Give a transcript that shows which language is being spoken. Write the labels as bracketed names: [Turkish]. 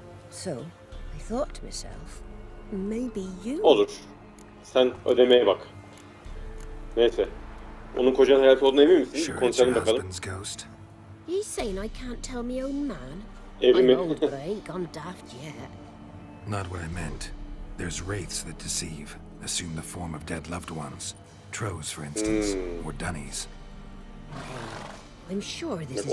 [English] So, I thought to myself, maybe you. [Turkish] Olur. Sen ödemeye bak. Neyse. Onun kocanın hayatı olduğuna emin misin? Sure, konuşalım bakalım. [English] He's saying I can't tell me own man. [Turkish] Evi mi? [English] I ain't gone daft yet. Not what I meant. There's wraiths that deceive, assume the form of dead loved ones. Trolls, for instance, or dunnies. I'm sure this is